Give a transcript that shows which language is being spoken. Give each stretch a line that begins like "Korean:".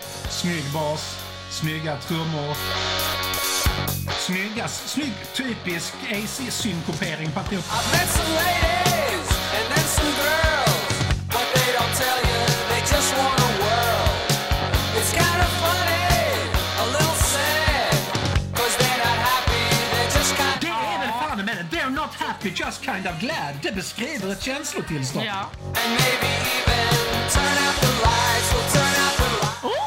Swedish: Snygg bas, snygga trummor. Snygg typisk AC-synkopering.
English: I've met some ladies and then some girls, but they don't tell you, they just want a world. It's kind of funny, a little sad, 'cause they're not happy, they're just kind of...
Swedish: Det är väl fan med det,
English: they're not happy, just kind of glad.
Swedish: Det beskriver ett känslotillstånd. Ja.
English: And maybe even turn out the lights, we'll turn out the lights.